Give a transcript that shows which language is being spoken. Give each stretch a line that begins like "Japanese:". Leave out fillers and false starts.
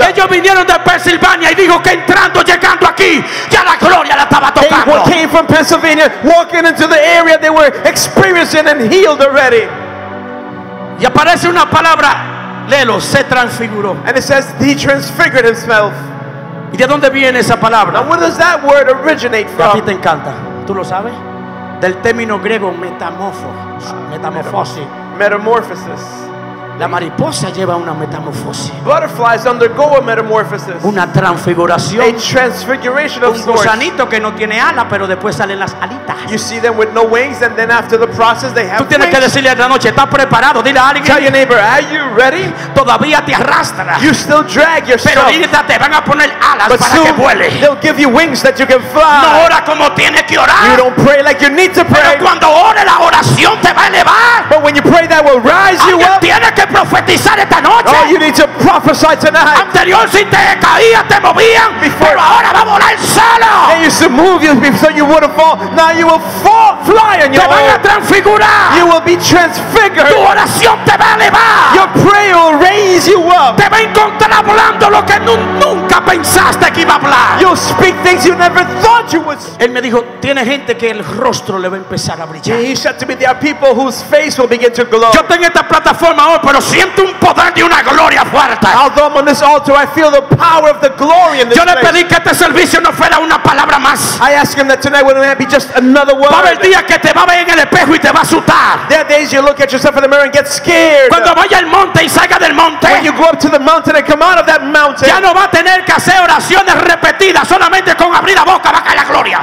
Spanish: Ellos vinieron de Pensilvania y dijo que entrando, llegando aquí, ya la gloria la estaba tocando.
English: People came from Pennsylvania, walking into the area, they were experiencing and healed already.
Spanish: Y aparece una palabra, léelo, se transfiguró.
English: And it says he transfigured himself.
Spanish: ¿Y de dónde viene esa palabra?
English: Now, where does that word originate from?
Spanish: A ti te encanta. ¿Tú lo sabes? Del término griego metamorfo, metamorfosis.
English: Metamorphosis.
Spanish: La mariposa lleva una metamorfosis.
English: Butterflies undergo a metamorphosis.
Spanish: Una transfiguración.
English: A transfiguration of sorts.
Spanish: Un gusanito que no tiene ala, pero después salen las alitas.
English: You see them with no wings, and then after the process they have wings.
Spanish: Tú tienes que decirle esta noche, ¿estás preparado? Dile a alguien.
English: Tell your neighbor, are you ready?
Spanish: Todavía te arrastra.
English: You still drag yourself.
Spanish: Pero ahorita te van a poner alas para que vuele.
English: But soon they'll give you wings that you can fly.
Spanish: No ora como tienes que orar.
English: You don't pray like you need to pray.
Spanish: Pero cuando ore, la oración te va a elevar.
English: But when you pray, that will rise you up.
Spanish: Tienes que profetizar esta noche.
English: Oh, you need to prophesy tonight.
Spanish: Anterior si te caía te movían, pero ahora va a volar solo.
English: They used to move you so you wouldn't fall. Now you will fall, fly on your own.
Spanish: Te van a transfigurar.
English: You will be transfigured.
Spanish: Tu oración te va a elevar.
English: Your prayer will raise you up.
Spanish: Te va a encontrar hablando lo que nunca pensaste que iba a hablar.
English: You'll speak things you never thought you would speak.
Spanish: Él me dijo, tiene gente que el rostro le va a empezar a brillar.
English: He said to me, there are people whose face will begin to glow.
Spanish: Yo tengo esta plataforma hoy, pero siento un poder de una gloria fuerte.
English: Although I'm on this altar, I feel the power of the glory in this
Spanish: yo le pedí
English: place.
Spanish: Que este servicio no fuera una palabra más.
English: I ask him that tonight wouldn't that be just another word.
Spanish: Va a haber días que te va a ver en el espejo y te va a asustar.
English: There are days you look at yourself in the mirror and get scared.
Spanish: Cuando vaya al monte y salga del monte,
English: when you go up to the mountain and come out of that mountain,
Spanish: ya no va a tener que hacer oraciones repetidas, solamente con abrir la boca va a caer la gloria.